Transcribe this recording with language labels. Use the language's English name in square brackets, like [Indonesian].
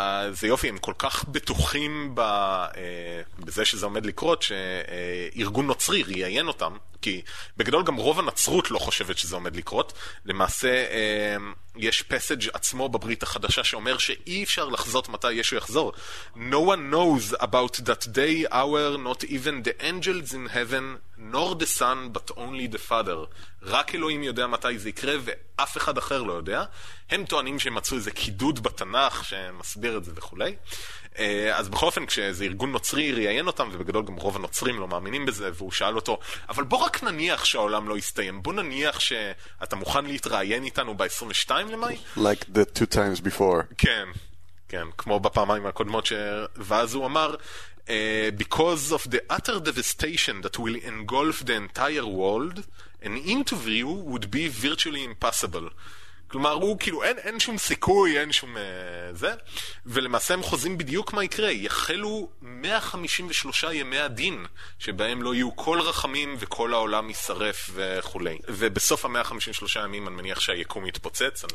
[Hebrew] זה יופי, הם כל כך בטוחים בזה שזה עומד לקרות, שארגון נוצרי ריין אותם, כי בגדול גם רוב הנצרות לא חושבת שזה עומד לקרות. למעשה, יש פסג' עצמו בברית החדשה שאומר שאי אפשר לחזות מתי ישו יחזור. [English] No one knows about that day, hour, not even the angels in heaven, nor the son, but only the father. [Hebrew] רק אלוהים יודע מתי זה יקרה, ואף אחד אחר לא יודע. הם טוענים שהם מצאו איזה קידוד בתנך שמסביר את זה וכולי. אז בכל אופן, כשאיזה ארגון נוצרי ריין אותם, ובגדול גם רוב הנוצרים לא מאמינים בזה, והוא שאל אותו, אבל בוא רק נניח שהעולם לא יסתיים, בוא נניח שאתה מוכן להתראיין איתנו ב-22 למאי? [English] Like the two times before. [Hebrew] כן, כן, כמו בפעמיים הקודמות ואז הוא אמר, [English] because of the utter devastation that will engulf the entire world, an interview would be virtually impossible. [Hebrew] כלומר, הוא כאילו, אין שום סיכוי, אין שום זה. ולמעשה הם חוזים בדיוק מה יקרה. יחלו 153 ימי הדין, שבהם לא יהיו כל רחמים וכל העולם יישרף וכולי. ובסוף ה-153 ימים אני מניח שהיקום יתפוצץ.